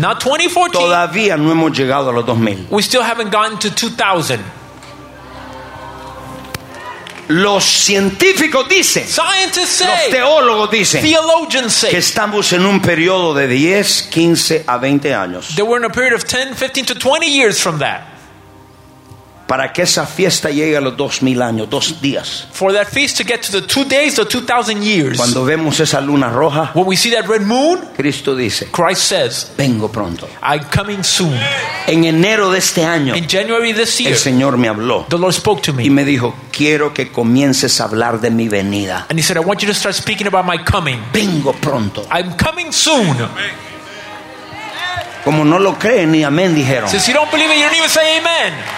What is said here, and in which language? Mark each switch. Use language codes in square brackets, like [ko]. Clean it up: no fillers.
[en] Not 2014. [es] Todavía no hemos llegado a los 2000. [en] We still haven't gotten to 2000. [es] Los científicos dicen, [en] scientists say, [es] los teólogos dicen, [en] theologians say, [es] que estamos en un periodo de 10, 15 a 20 años. [en] They were in a period of 10, 15 to 20 years from that. [es] Para que esa fiesta llegue a los 2,000 años, 2 días. [en] For that feast to get to the 2 days or 2,000 years. [es] Cuando vemos esa luna roja, [en] when we see that red moon, [es] Cristo dice, [en] Christ says, [es] vengo pronto. [en] I'm coming soon. [es] En enero de este año, [en] in January this year, [es] el Señor me habló. [en] The Lord spoke to me. [es] Y me dijo, quiero que comiences a hablar de mi venida. [en] And he said, I want you to start speaking about my coming. [es] Vengo pronto. [en] I'm coming soon. [es] Como no lo creen, ni amén dijeron. [en] Since you don't believe it, you don't even say amen.